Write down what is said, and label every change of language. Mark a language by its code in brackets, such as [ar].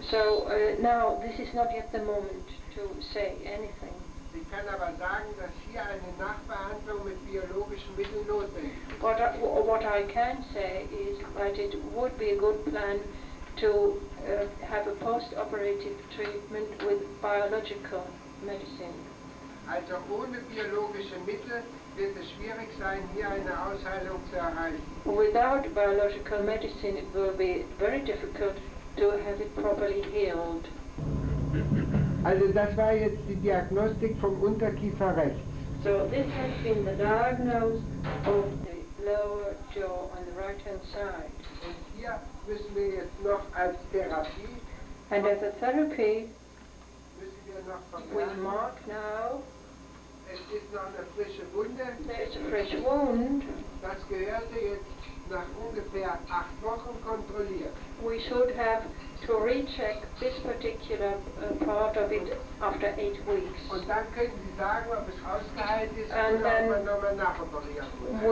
[en] So now this is not yet the moment to say anything. [de] Ich kann aber sagen, dass hier eine Nachbehandlung mit biologischen Mitteln notwendig ist. [en] What I can say is that it would be a good plan to have a post-operative treatment with biological medicine. [de] Also ohne biologische Mittel wird es schwierig sein, hier eine Ausheilung zu erreichen. [en] Without biological medicine it will be very difficult to have it properly healed. [de] Also das war jetzt die Diagnostik vom Unterkiefer rechts. [en] So this has been the diagnosis of the lower jaw on the right hand side. [de] Und hier müssen wir jetzt noch als Therapie. [en] And as a therapy, [de] müssen wir noch vermerken, [en] we mark now, [de] es ist noch eine frische Wunde. [en] There is a fresh wound. [de] Das gehörte jetzt nach ungefähr 8 Wochen kontrolliert. [en] We should have to recheck this particular part of it after 8 weeks. [de] Und dann können Sie sagen, ob es ausgeheilt ist und ob man nochmal nachoperieren muss.